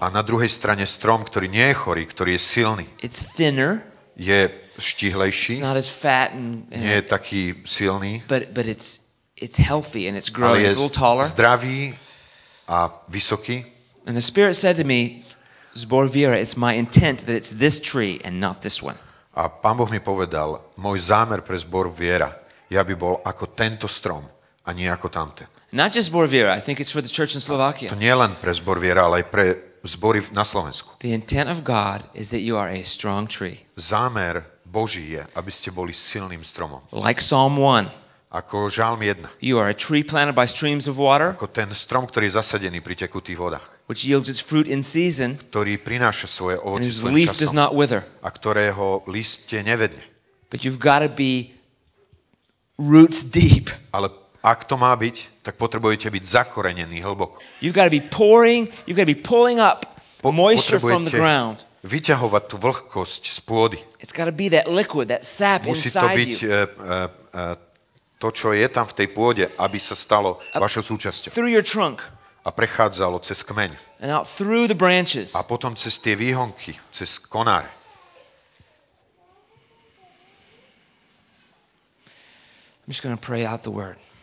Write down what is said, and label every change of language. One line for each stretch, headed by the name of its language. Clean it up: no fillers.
Slovak: A na druhej strane strom, ktorý nie je chorý, ktorý je silný.
English: It's thinner.
Slovak: Je štíhlejší.
English: It's not as fat and
Slovak: nie je taký silný.
English: But it's healthy and it's growing. It's a little taller.
Slovak: Zdravý a vysoký.
English: And the spirit said to me, Zbor Viera, it's my intent that it's this tree and not this one.
Slovak: A Pán Boh mi povedal, môj zámer pre Zbor Viera, ja by bol ako tento strom a nie ako tamte.
English: Not just Zbor Viera, I think it's for the church in Slovakia.
Slovak: To nie len pre Zbor Viera, ale aj pre zbory na Slovensku.
English: The intent of God is that you are a strong tree.
Slovak: Zámer Boží je, aby ste boli silným stromom.
English: Like Psalm 1.
Slovak: Ako Žalm 1.
English: You are a tree planted by streams of water.
Slovak: Ako ten strom, ktorý je zasadený pri tekutých vodách.
English: Which yields its fruit in season.
Slovak: Ktorý prináša svoje ovocie svojim časom.
English: Leaf does not wither.
Slovak: A ktorého listie nevedne.
English: But you've got to be roots deep.
Slovak: Ale ak to má byť, tak potrebujete byť zakorenení hlboko.
English: You've got to be pouring, you've got to be pulling up moisture from the ground.
Slovak: Vyťahovať tú vlhkosť z pôdy.
English: It's got to be that liquid, that sap inside you.
Slovak: Musí to byť to, čo je tam v tej pôde, aby sa stalo vašou súčasťou.
English: Through your trunk.
Slovak: A prechádzalo cez kmeň.
English: And out through the branches.
Slovak: A potom cez tie výhonky, cez konár.
English: I'm just going to pray out the word.